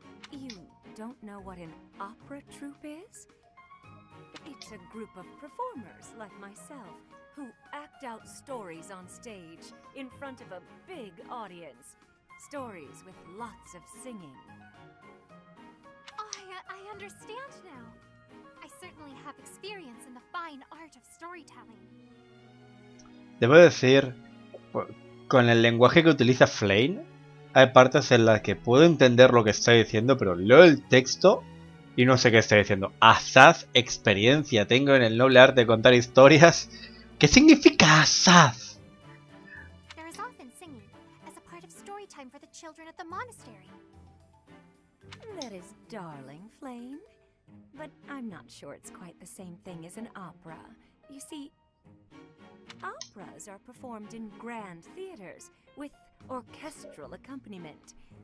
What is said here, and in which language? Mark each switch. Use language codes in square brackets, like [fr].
[en] You don't know what an opera troupe is? It's a group of performers, like myself, who act out stories on stage, in front of a big audience. Stories with lots of singing. Oh, I understand now. I certainly have experience in the fine art of storytelling. [es] Debo decir, con el lenguaje que utiliza Flane, hay partes en las que puedo entender lo que está diciendo, pero leo el texto y no sé qué está diciendo. Azaz, experiencia tengo en el noble arte de contar historias. ¿Qué significa Azaz? [en] There is often singing as a part of story time for the children at the monastery. That is darling, Flame. But I'm not sure it's quite the same thing as an opera. You see, operas are performed in grand theaters with orchestral accompaniment.